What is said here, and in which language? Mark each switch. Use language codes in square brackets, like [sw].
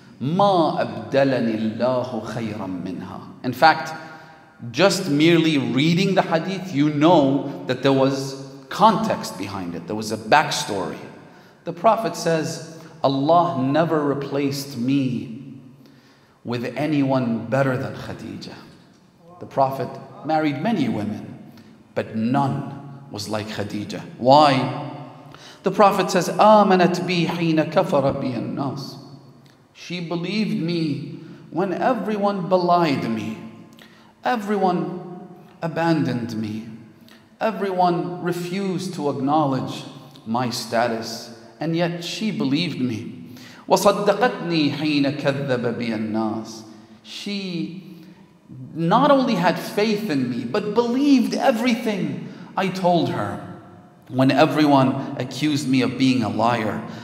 [ar] مَا أَبْدَلَنِ اللَّهُ خَيْرًا مِّنْهَا [en] In fact, just merely reading the hadith, you know that there was context behind it. There was a backstory. The Prophet says, Allah never replaced me with anyone better than Khadija. The Prophet married many women, but none was like Khadija. Why? [ar] The Prophet says, آمنت بي حين كفر بي الناس. [en] She believed me when everyone belied me. Everyone abandoned me. Everyone refused to acknowledge my status, and yet she believed me. [ar] وَصَدَّقَتْنِي حِينَ كَذَّبَ بِيَ النَّاسِ [en] She not only had faith in me, but believed everything I told her when everyone accused me of being a liar.